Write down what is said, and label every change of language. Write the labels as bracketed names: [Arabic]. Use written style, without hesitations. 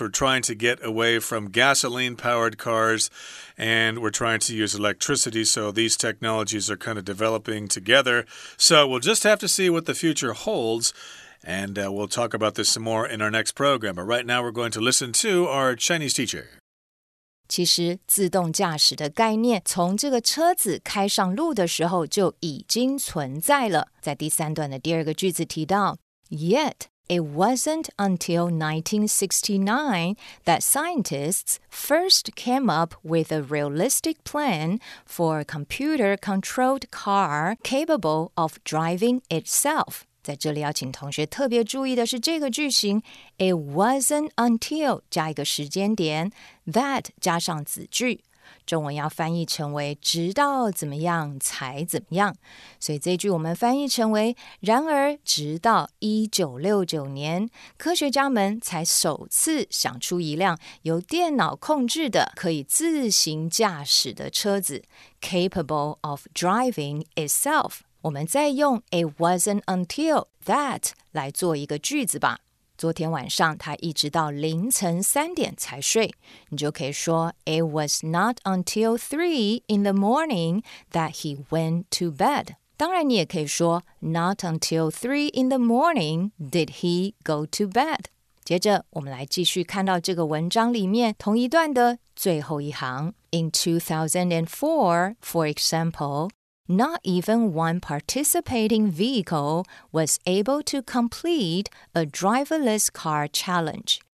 [English] We're trying to get away from gasoline-powered cars, and we're trying to use electricity. So these technologies are kind of developing together. So we'll just have to see what the future holds. And we'll talk about this some more in our next program. But right now, we're going to listen to our Chinese teacher. [Chinese] 其实自动驾驶的概念从这个车子开上路的时候就已经存在了。在第三段的第二个句子提到 [English] Yet, it wasn't until 1969 that scientists first came up with a realistic plan for a computer-controlled car capable of driving itself. [Chinese] 在这里要请同学特别注意的是这个句型 [English] It wasn't until [Chinese] 加一个时间点 That 加上子句中文要翻译成为直到怎么样才怎么样所以这句我们翻译成为然而直到1969年科学家们才首次想出一辆由电脑控制的可以自行驾驶的车子 [English] Capable of driving itself [Chinese] 我们再用 it wasn't until that 来做一个句子吧。昨天晚上他一直到凌晨三点才睡。你就可以说 [English] it was not until 3 in the morning that he went to bed. [Chinese] 当然你也可以说 [English] Not until 3 in the morning did he go to bed. [Chinese] 接着我们来继续看到这个文章里面同一段的最后一行。 [English] In 2004, for example, not even one participating vehicle was able to complete a driverless car challenge.